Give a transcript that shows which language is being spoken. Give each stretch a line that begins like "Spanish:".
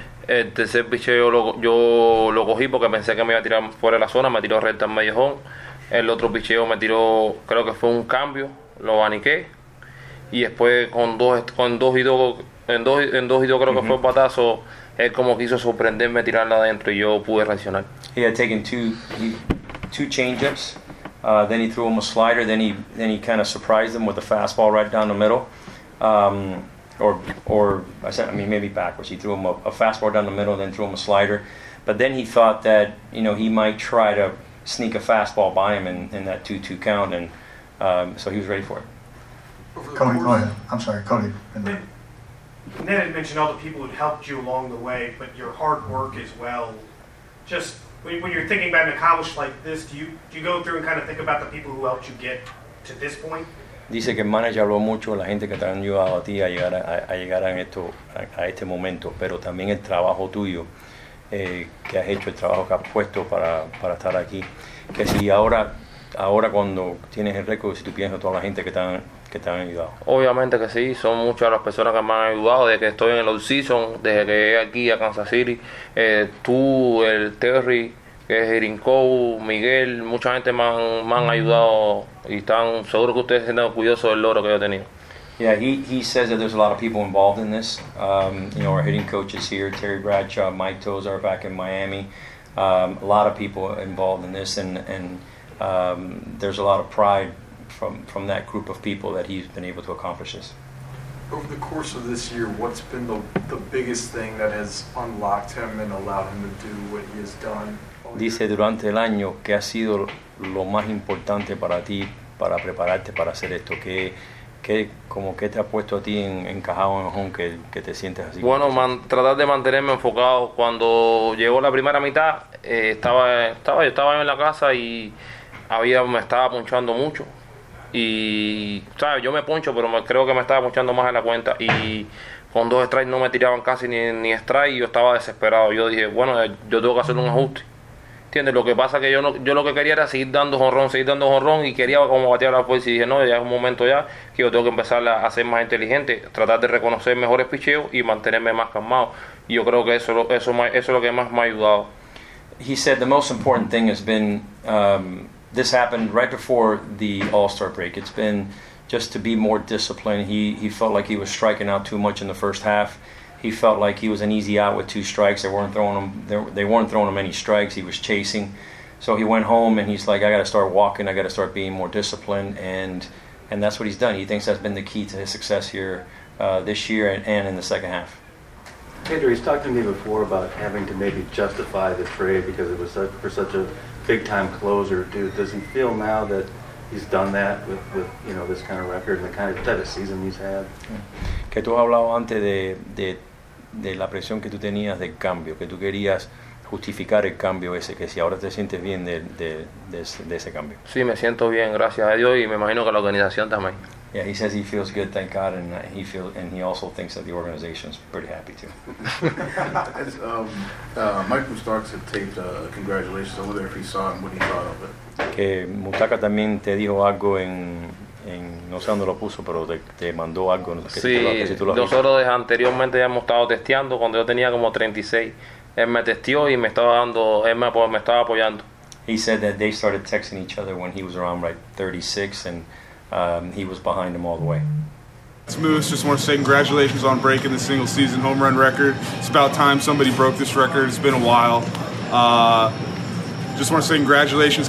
Spanish: El tercer picheo yo lo cogí porque pensé que me iba a tirar fuera de la zona, me tiró recta en medio home. El otro picheo me tiró, creo que fue un cambio, lo baniqué. Y después con dos y dos creo que fue un patazo, él como quiso sorprenderme, tirarla adentro y yo pude reaccionar.
English: He had taken two change-ups, then he threw him a slider, then he kind of surprised him with a fastball right down the middle. Maybe backwards. He threw him a fastball down the middle, then threw him a slider. But then he thought that, you know, he might try to sneak a fastball by him in that 2-2 count, and so he was ready for it. Cody, go ahead. I'm sorry, Cody. Ned had mentioned all the people who helped you along the way, but your hard work as well. Just when you're thinking about an accomplishment like this, do you go through and kind of think about the people who helped you get to this point?
Spanish: Dice que el manager habló mucho de la gente que te han ayudado a ti a llegar a este momento, pero también el trabajo tuyo que has hecho, el trabajo que has puesto para estar aquí. Que si ahora cuando tienes el récord, si tú piensas toda la gente que te han ayudado. Obviamente que sí, son muchas las personas que me han ayudado desde que estoy en el off-season, desde que llegué aquí a Kansas City. Tú, el Terry, que es Irinkou, Miguel, mucha gente me han ayudado y están seguro que ustedes se han dado cuidado del logro que yo he tenido.
English: Yeah, he says that there's a lot of people involved in this. You know, our hitting coach is here, Terry Bradshaw, Mike Tozar back in Miami. A lot of people involved in this and there's a lot of pride from that group of people that he's been able to accomplish this. Over the course of this year, what's been the biggest thing that has unlocked him and allowed him to do what he has done?
Spanish: Dice, durante el año, ¿qué ha sido lo más importante para ti para prepararte para hacer esto? ¿Qué te ha puesto a ti encajado en el home que te sientes así? Bueno, tratar de mantenerme enfocado. Cuando llegó la primera mitad, estaba yo en la casa y me estaba punchando mucho. Y, ¿sabes? Yo me poncho, pero creo que me estaba punchando más en la cuenta. Y con dos strikes no me tiraban casi ni strike y yo estaba desesperado. Yo dije, bueno, yo tengo que hacer un ajuste. ¿Entiendes? Lo que pasa es que yo lo que quería era seguir dando jonrón y quería como batear la fuerza y dije, no, ya es un momento ya que yo tengo que empezar a ser más inteligente, tratar de reconocer mejores picheos y mantenerme más calmado. Y yo creo que eso es lo que más me ha ayudado.
English: He said the most important thing has been, this happened right before the All-Star break. It's been just to be more disciplined. He felt like he was striking out too much in the first half. He felt like he was an easy out with two strikes. They weren't throwing him any strikes. He was chasing. So he went home and he's like, I got to start walking. I got to start being more disciplined. And that's what he's done. He thinks that's been the key to his success here this year and in the second half. Andrew, he's talked to me before about having to maybe justify the trade because it was for such a big-time closer. Does he feel now that he's done that with you know, this kind of record and the kind of type of season he's had? Yeah.
Spanish: Que tú has hablado antes de la presión que tú tenías del cambio, que tú querías justificar el cambio ese, que si ahora te sientes bien de ese cambio. Sí, me siento bien, gracias a Dios, y me imagino que la organización también.
English: Yeah, he says he feels good, thank God, and he also thinks that the organization's pretty happy too. Michael Starks had taped congratulations. I wonder if he saw it and what he thought of it.
Spanish: Que Mutaka también te dijo algo en no sé dónde lo puso, pero te mandó algo. Nosotros anteriormente ya hemos estado testeando cuando yo tenía como 36. Él me testió y me estaba apoyando.
English: He said that they started texting each other when he was around like 36 and he was behind him all the way. It's Moose. Just want to say congratulations on breaking the single season home run record. It's about time somebody broke this record. It's been a while. Just want to say congratulations.